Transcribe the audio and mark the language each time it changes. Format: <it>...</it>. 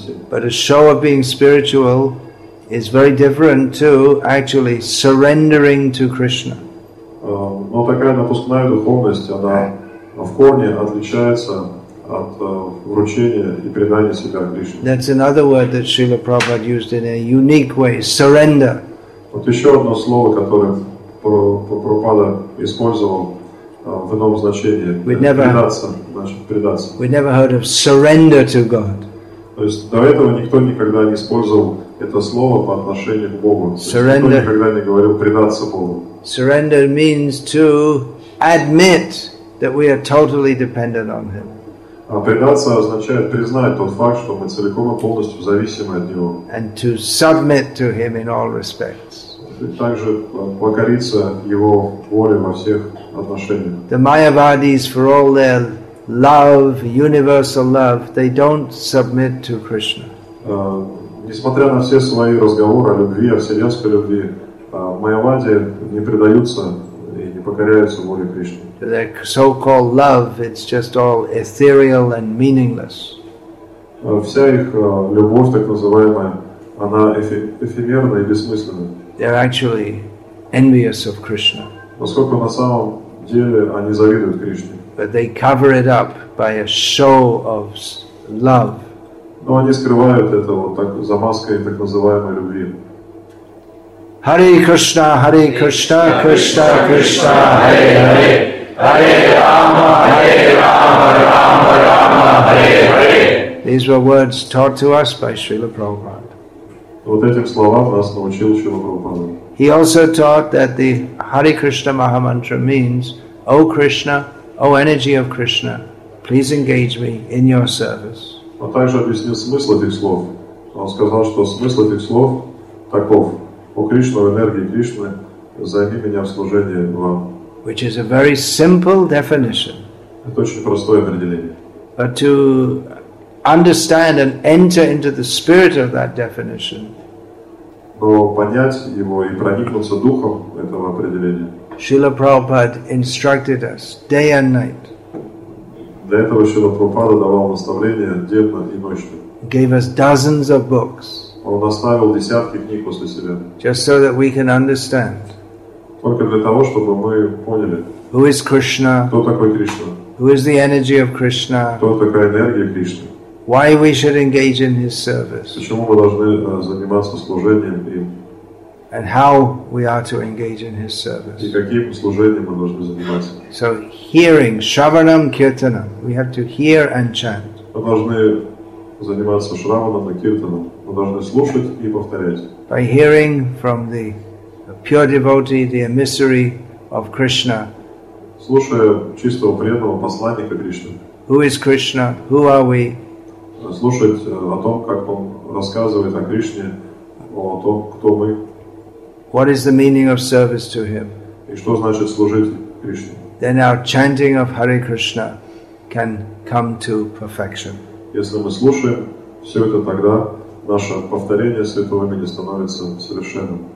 <en>But a show of being spiritual is very different to actually surrendering to Krishna.</en> <ru>Но такая напускная духовность, она в корне отличается от вручения и предания себя Кришне.</ru> <en>That's another word that Srila Prabhupada used in a unique way, surrender.</en> <ru>Вот еще одно слово, которое Прабхупада использовал в ином значении.</ru> <en>We never heard of surrender to God.</en> <ru>То есть до этого никто никогда не использовал это слово по отношению к Богу.</ru> <en>Surrender.</en> <ru>Никто никогда не говорил предаться Богу.</ru> <en>Surrender means to admit that we are totally dependent on Him.</en> <ru>А предаться означает признать тот факт, что мы целиком и полностью зависимы от Него.</ru> <en>And to submit to Him in all respects.</en> <ru>И также покориться Его воле во всех отношениях.</ru> <en>The Mayavadis, for all their love, universal love, they don't submit to Krishna.</en> <ru>Несмотря на все свои разговоры о любви, о вселенской любви, майявади не предаются и не покоряются воле Кришны.</ru> <en>The so-called love, it's just all ethereal and meaningless.</en> <ru>Вся их любовь, так называемая, она эфемерна и бессмысленна.</ru> <en>They're actually envious of Krishna.</en> <ru>Поскольку на самом деле они завидуют Кришне.</ru> <en>But they cover it up by a show of love.</en> <ru>Но они скрывают это вот так за маской так называемой любви.</ru> <sa>Hare Krishna, Hare Krishna, Krishna Krishna, Hare Hare. Hare Rama, Hare Rama, Rama Rama, Hare Hare.</sa> <en>These were words taught to us by Srila Prabhupada.</en> <ru>Вот этих словах нас научил Шрила Прабхупада.</ru> <en>He also taught that the Hare Krishna Maha Mantra means, O Krishna, O energy of Krishna, please engage me in your service.</en> <ru>Он также объяснил смысл этих слов. Он сказал, что смысл этих слов таков. О Кришна, энергии Кришны, займи меня в служении вам.</ru> <en>Which is a very simple definition.</en> <ru>Это очень простое определение.</ru> <en>But to understand and enter into the spirit of that definition.</en> <ru>Но понять его и проникнуться духом этого определения.</ru> <en>Srila Prabhupada instructed us day and night.</en> <ru>Для этого Srila Prabhupada давал наставления денно и ночно.</ru> <en>Gave us dozens of books.</en> <ru>Он оставил десятки книг после себя.</ru> <en>Just so that we can understand.</en> <ru>Только для того, чтобы мы поняли.</ru> <en>Who is Krishna?</en> <ru>Кто такой Кришна?</ru> <en>Who is the energy of Krishna?</en> <ru>Кто такая энергия Кришны?</ru> <en>Why we should engage in his service?</en> <ru>Почему мы должны заниматься служением им?</ru> <en>And how we are to engage in his service.</en> <ru>И каким служением мы должны заниматься?</ru> <en>So hearing, shravanam, kirtanam. We have to hear and chant.</en> <ru>Мы должны заниматься шраваном и киртаном. Мы должны слушать и повторять.</ru> <en>By hearing from the pure devotee, the emissary of Krishna.</en> <ru>Слушая чистого преданного посланника Кришны.</ru> <en>Who is Krishna? Who are we?</en> <ru>Слушать о том, как он рассказывает о Кришне, о том, кто мы.</ru> <en>What is the meaning of service to him?</en> <ru>И что значит служить Кришне?</ru> <en>Then our chanting of Hare Krishna can come to perfection.</en> <ru>Если мы слушаем все это, тогда наше повторение святого имени становится совершенным.</ru>